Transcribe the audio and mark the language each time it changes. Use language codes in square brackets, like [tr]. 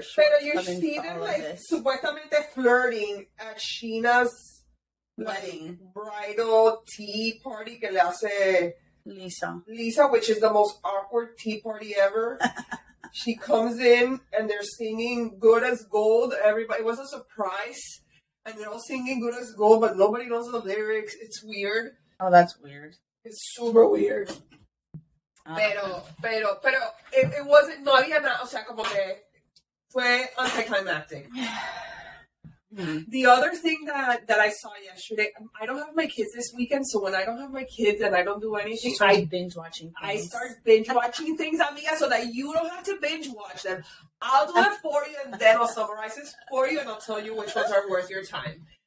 [en] Sheena is. You see them like supuestamente flirting at Sheena's wedding, bridal tea party [es] que le hace [en] Lisa, which is the most awkward tea party ever. She comes in and they're singing Good as Gold. Everybody, it was a surprise. And they're all singing Good as Gold, but nobody knows the lyrics. It's weird. Oh, that's weird. It's super weird. [es] Pero [en] it wasn't, [es] no había nada, o sea, como que fue anticlimactic. [en] The other thing that I saw yesterday, I don't have my kids this weekend, so when I don't have my kids and I don't do anything, I start binge watching things, amiga, so that you don't have to binge watch them. I'll do it for you, and then I'll summarize this for you, and I'll tell you which ones are worth your time.